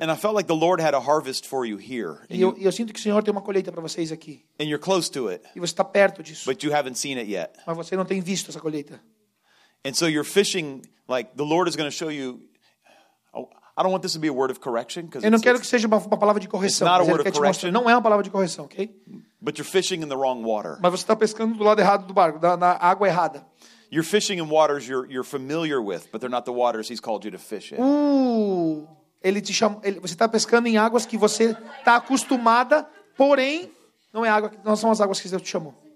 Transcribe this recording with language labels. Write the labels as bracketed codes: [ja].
[en] And I felt like the Lord had a harvest for you here. [pt] Eu sinto que o Senhor tem uma colheita para vocês aqui. [en] And you're close to it. [pt] E você está perto disso. [en] But you haven't seen it yet. [pt] Mas você não tem visto essa colheita. [en] And so you're fishing, like the Lord is going to show you. I don't want this to be a word of correction. [pt] Eu não quero que seja uma palavra de correção. [en] It's not a word of correction. [pt] Não é uma palavra de correção, ok? [en] But you're fishing in the wrong water. [pt] Mas você está pescando do lado errado do barco, na água errada. [en] You're fishing in waters you're familiar with, but they're not the waters he's called you to fish in. Ooh. [pt] Ele te chama, ele, você está pescando em águas que você está acostumada, porém, não, é água, não são as águas que Deus te chamou.